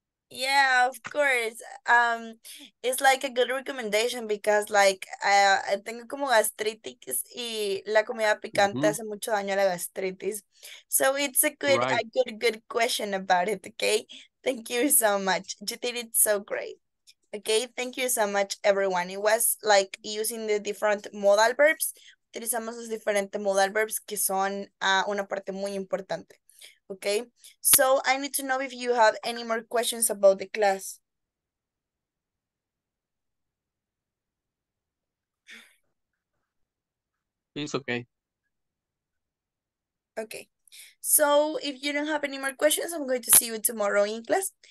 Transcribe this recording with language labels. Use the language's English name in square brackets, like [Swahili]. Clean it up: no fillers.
[English] Yeah, of course. It's like a good recommendation because like I [Spanish] tengo como gastritis y la comida picante hace mucho daño a la gastritis. [English] So it's a good right. a good question about it, okay? Thank you so much. You did it so great. Okay, thank you so much everyone. It was like using the different modal verbs. [Spanish] Utilizamos los diferentes modal verbs que son una parte muy importante. [English] Okay, so I need to know if you have any more questions about the class. It's okay. Okay, so if you don't have any more questions, I'm going to see you tomorrow in class.